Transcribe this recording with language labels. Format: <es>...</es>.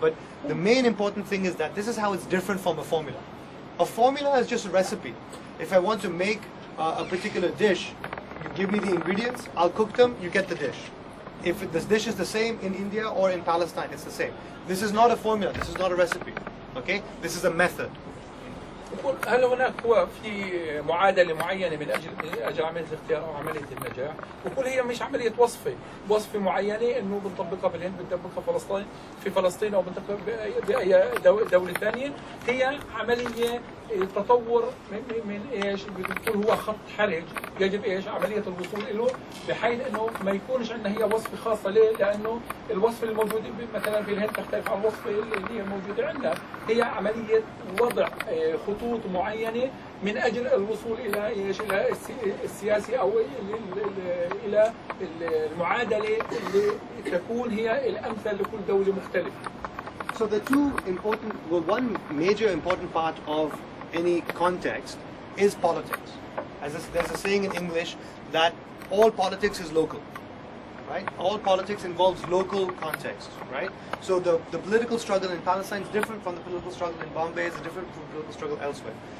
<en>But the main important thing is that this is how it's different from a formula. A formula is just a recipe. If I want to make a particular dish, give me the ingredients, I'll cook them, you get the dish. If this dish is the same in India or in Palestine, it's the same. This is not a formula, this is not a recipe. Okay? This is a method.</en> <ar>هل هناك هو في معادلة معينة من أجل عملية الاختيار أو عملية النجاح؟ وكل هي مش عملية وصفة معينة إنه بنطبقها في الهند بنطبقها في فلسطين في فلسطين أو بنطبقها بأي دولة ثانية. هي عملية تطور من إيش بتقول هو خط حرج يجب إيش عملية الوصول إله بحيث إنه ما يكونش عندنا هي وصفة خاصة. ليه؟ لأنه الوصفة الموجودة مثلا في الهند تختلف عن الوصفة اللي هي موجودة عندنا. هي عملية وضع خطوط معينة من أجل الوصول إلى إيش إلى السياسي أو إلى المعادلة اللي تكون هي الأمثل لكل دولة مختلفة.</ar> <en>So the two important, well, one major important part of any context is politics. As there's a saying in English that all politics is local, right? All politics involves local context, right? So the political struggle in Palestine is different from the political struggle in Bombay, is different from the political struggle elsewhere.</en>